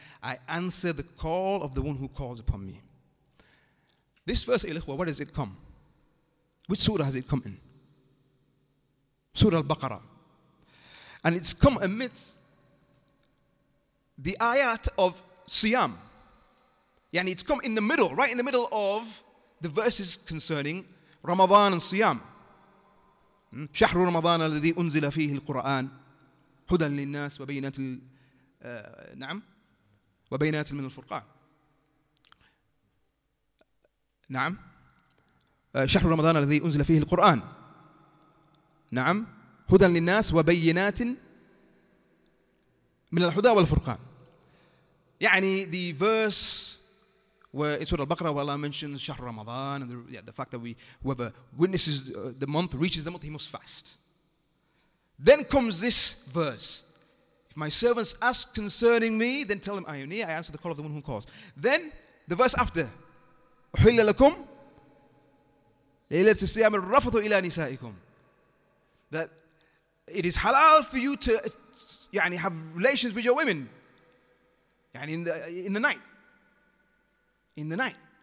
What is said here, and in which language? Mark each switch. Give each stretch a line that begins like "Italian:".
English: I answer the call of the one who calls upon me. This verse, Ikhwa, where does it come? Which surah has it come in? Surah Al-Baqarah. And it's come amidst the ayat of Siyam. And it's come in the middle, right in the middle of the verses concerning Ramadan and Siyam.
Arabic: شهر رمضان الذي أنزل فيه القرآن هدى للناس وبينات نعم وبينات من الفرقان نعم شهر رمضان الذي أنزل فيه القرآن نعم هدى للناس وبينات من الهدى والفرقان يعني
English: the verse in Surah Al-Baqarah, where Allah mentions Shahr Ramadan, and the fact that whoever witnesses the month, reaches the month, he must fast. Then comes this verse. If my servants ask concerning me, then tell them, Ayuni, I answer the call of the one who calls. Then, the verse after,
Arabic: أُحِلَّ لَكُمْ لَيْلَةُ السِّيَامِ الرَّفَضُ إِلَىٰ نِسَائِكُمْ.
English: That it is halal for you to have relations with your women in the night. In the night.